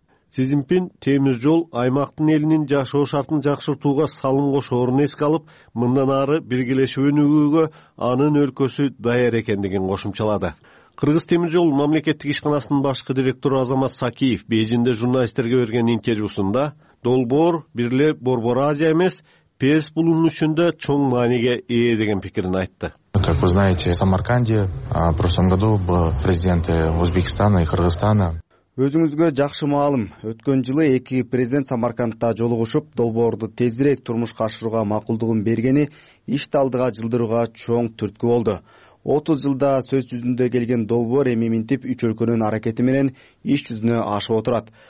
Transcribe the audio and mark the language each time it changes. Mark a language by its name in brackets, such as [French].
[Kyrgyz] Си Цзиньпин темир жол аймактын элинин жашоо шартын жакшыртууга салынгош орун эске алып, мындан ары биргелешип өнүгүүгө анын өлкөсү даяр экендигин кошумчалады. Кыргыз темир жол мамлекеттик ишканасынын башкы директору Азамат Сакиев Бээжинде журналисттерге берген интервьюсунда долбоор бирле Борбор Азия эмес, Перс булунушунда чоң мааниге ээ деген пикирин айтты. [Russian] Как вы знаете, Самарканде в прошлом году был президент Узбекистана и Кыргызстана. [Kyrgyz] Өзүңүзгө жакшы маалым. Өткөн жылы эки президент Самаркандта жолугушуп, долбоорду тезирээк турмушка ашырууга макулдугун бергени ишти алдыга жылдырууга чоң түрткү болду. 30 жылда сөз жүзүндө келген долбоор эми минтип үч өлкөнүн аракети менен иш жүзүнө ашып отурат.